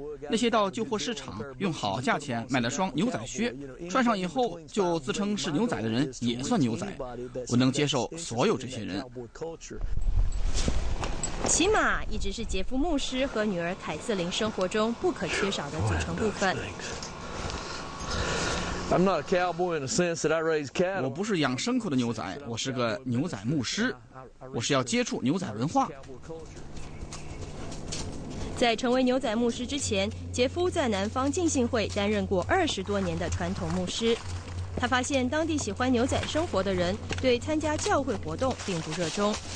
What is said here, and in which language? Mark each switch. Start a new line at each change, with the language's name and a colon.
Chinese: 那些到旧货市场用好价钱买了双牛仔靴，穿上以后就自称是牛仔的人也算牛仔。我能接受所有这些人。骑马一直是杰夫牧师和女儿凯瑟琳生活中不可缺少的组成部分。
English: I'm not a cowboy in the sense that I raise cattle.
Chinese: 我不是养牲口的牛仔，我是个牛仔牧师。我是要接触牛仔文化。在成为牛仔牧师之前，杰夫在南方浸信会担任过20多年的传统牧师。他发现当地喜欢牛仔生活的人对参加教会活动并不热衷。